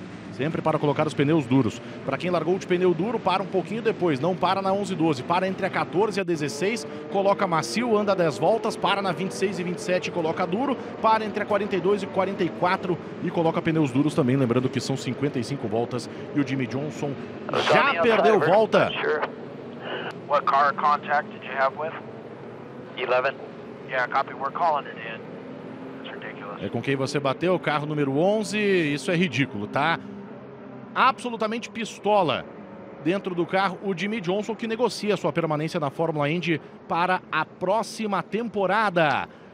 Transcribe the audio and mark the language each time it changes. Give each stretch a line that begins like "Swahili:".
Portuguese: Sempre para colocar os pneus duros. Para quem largou de pneu duro, para um pouquinho depois, não para na 11 e 12, para entre a 14 e a 16, coloca macio, anda 10 voltas, para na 26 e 27 e coloca duro, para entre a 42 e 44 e coloca pneus duros também, lembrando que são 55 voltas e o Jimmy Johnson já perdeu volta.
English: What car contact did you have with? 11. Yeah, copy. We're calling it in. That's ridiculous.
Portuguese: É com quem você bateu, o carro número 11. Isso é ridículo, tá? Absolutamente pistola dentro do carro o Jimmy Johnson, que negocia sua permanência na Fórmula Indy para a próxima temporada.